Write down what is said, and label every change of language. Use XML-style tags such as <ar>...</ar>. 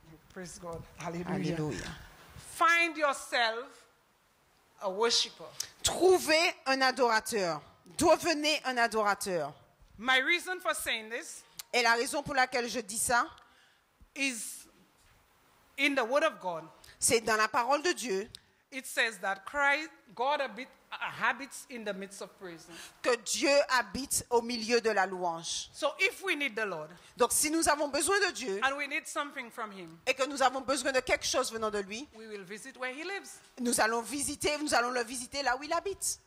<en>Praise God. Alléluia. Find yourself a worshipper.</en> <fr>Trouvez un adorateur. Devenez un adorateur.</fr> <en>My reason for saying this.</en> <fr>Et la raison pour laquelle je dis ça</fr> <en>is in the word of God.</en> <fr>C'est dans la parole de Dieu.</fr> <en>It says that Christ, God habits in the midst of praise.</en> <fr>Que Dieu habite au milieu de la louange.</fr> <en>So if we need the Lord,</en> <fr>donc si nous avons besoin de Dieu,</fr> <en>and we need something from him,</en> <fr>et que nous avons besoin de quelque chose venant de lui,</fr> <en>we will visit where he lives.</en> <fr>Nous allons le visiter là où il habite.</fr>